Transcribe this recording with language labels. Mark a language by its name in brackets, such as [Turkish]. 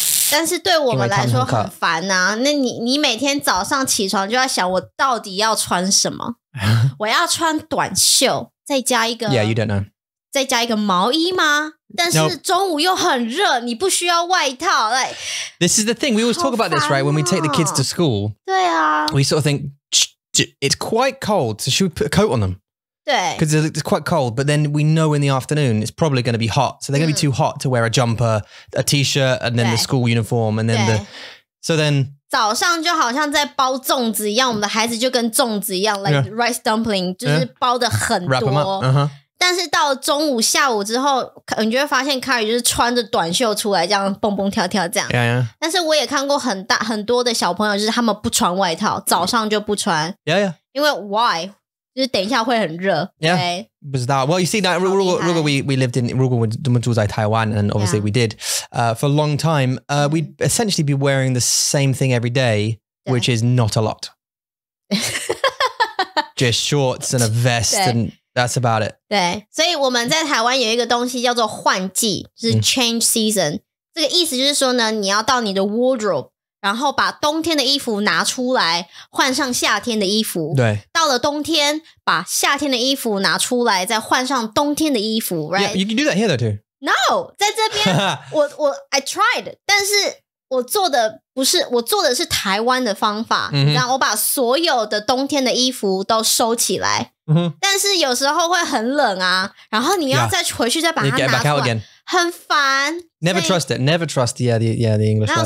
[Chinese] 但是对我们来说很烦啊，那 你每天早上起床就要想我到底要穿什么。我要穿短袖再加一个 [English] Yeah, you don't know. [Chinese] 再加一个毛衣吗？但是中午又很热，你不需要外套。 [English] Like, This is the thing, we always talk about this, right? When we take the kids to school, [Chinese] 对啊 [English] we sort of think, it's quite cold, so should we put a coat on them? [Chinese] 对 [English] Because it's quite cold, but then we know in the afternoon it's probably going to be hot, so they're going to be too hot to wear a jumper, a t-shirt, and then the school uniform, and then the... So then... [Chinese] 早上就好像在包粽子一样，我们的孩子就跟粽子一样 [English] like rice dumpling, [Chinese] 就是包的很多 [English] Wrap them up, uh-huh. [Chinese] 但是到中午下午之后你就会发现 Carrie 就是穿着短袖出来这样蹦蹦跳跳这样 [English] yeah, yeah. [Chinese] 但是我也看过很多的小朋友就是他们不穿外套早上就不穿 [English] yeah, yeah. [Chinese] 因为 why 就是等一下会很热 [English] yeah, [Chinese] 不知道 [English] well you see that 如果 we lived in [Chinese] 如果我们住在台湾 [English] and obviously we did for a long time we'd essentially be wearing the same thing every day which is not a lot just shorts and a vest andThat's about it. [Chinese] 对，所以我们在台湾有一个东西叫做换季，就是 [English] change season。 [Chinese] 这个意思就是说呢，你要到你的 wardrobe， 然后把冬天的衣服拿出来，换上夏天的衣服。对，到了冬天，把夏天的衣服拿出来，再换上冬天的衣服。 [English] Right? Yeah, you can do that here, though, too. [Chinese] No, 在这边，我 [English] I tried， [Chinese] 但是我做的不是，我做的是台湾的方法。Mm-hmm. 然后我把所有的冬天的衣服都收起来。但是有时候会很冷啊，然后你要再回去再把它拿出来 [English] yeah, back out again. [Chinese] 很烦 [English] Never trust it, never trust the, yeah, the English weather